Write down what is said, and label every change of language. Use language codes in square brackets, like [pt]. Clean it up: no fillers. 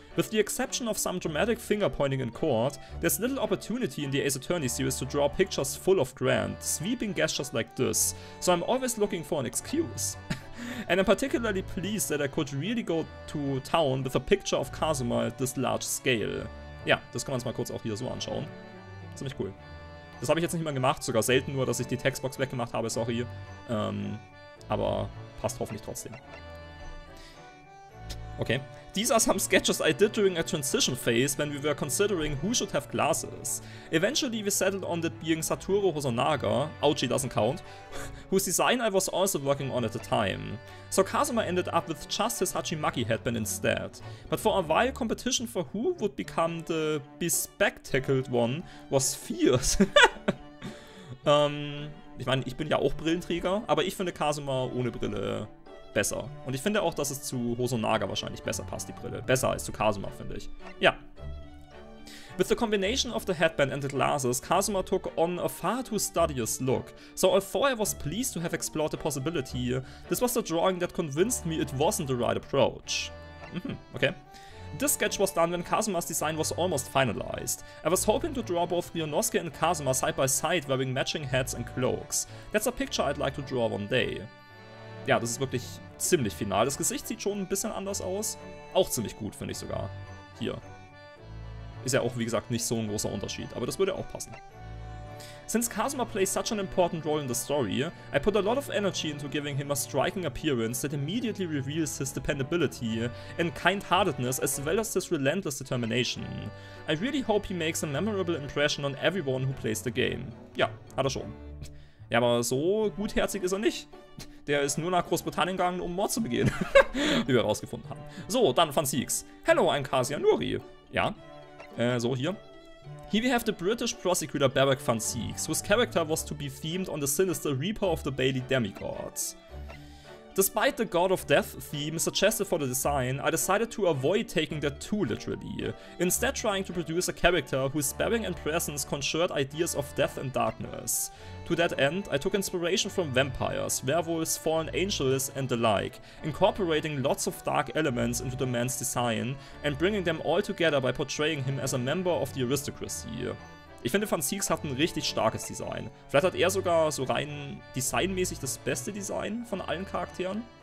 [en] With the exception of some dramatic finger pointing in court, there's little opportunity in the Ace Attorney series to draw pictures full of grand, sweeping gestures like this, so I'm always looking for an excuse. And I'm particularly pleased that I could really go to town with a picture of Kazuma at this large scale. [de] Yeah, das kann man sich mal kurz auch hier so anschauen. Ziemlich cool. Das habe ich jetzt nicht mal gemacht, sogar selten nur, dass ich die Textbox weggemacht habe, sorry. Aber passt hoffentlich trotzdem. Okay. [en] These are some sketches I did during a transition phase when we were considering who should have glasses. Eventually we settled on it being Satoru Hosonaga, Ouchie doesn't count, whose design I was also working on at the time. So Kazuma ended up with just his Hachimaki headband instead. But for a while competition for who would become the bespectacled one was fierce. [de] ich meine, ich bin ja auch Brillenträger, aber ich finde Kazuma ohne Brille besser. Und ich finde auch, dass es zu Hosonaga wahrscheinlich besser passt, die Brille. Besser als zu Kazuma, finde ich. Ja. [en] With the combination of the headband and the glasses, Kazuma took on a far too studious look. So although I was pleased to have explored the possibility, this was the drawing that convinced me it wasn't the right approach. Mhm, okay. This sketch was done when Kazuma's design was almost finalized. I was hoping to draw both Ryunosuke and Kazuma side by side wearing matching hats and cloaks. That's a picture I'd like to draw one day. [de] Ja, das ist wirklich ziemlich final. Das Gesicht sieht schon ein bisschen anders aus. Auch ziemlich gut, finde ich sogar. Hier. Ist ja auch, wie gesagt, nicht so ein großer Unterschied. Aber das würde auch passen. [en] Since Kazuma plays such an important role in the story, I put a lot of energy into giving him a striking appearance that immediately reveals his dependability and kind-heartedness as well as his relentless determination. I really hope he makes a memorable impression on everyone who plays the game. [de] Ja, hat er schon. Ja, aber so gutherzig ist er nicht. Der ist nur nach Großbritannien gegangen, um Mord zu begehen, wie wir herausgefunden haben. So, dann von Seeks. [en] Hello, I'm Kasia Nuri. [de] Ja, so hier. [en] Here we have the British prosecutor Barak van Seeks, whose character was to be themed on the sinister Reaper of the Bailey demigods. Despite the God of Death theme suggested for the design, I decided to avoid taking that too literally, instead trying to produce a character whose bearing and presence conjured ideas of death and darkness. To that end, I took inspiration from vampires, werewolves, fallen angels and the like, incorporating lots of dark elements into the man's design and bringing them all together by portraying him as a member of the aristocracy. [de] Ich finde, Van Seeks hat ein richtig starkes Design. Vielleicht hat er sogar so rein designmäßig das beste Design von allen Charakteren.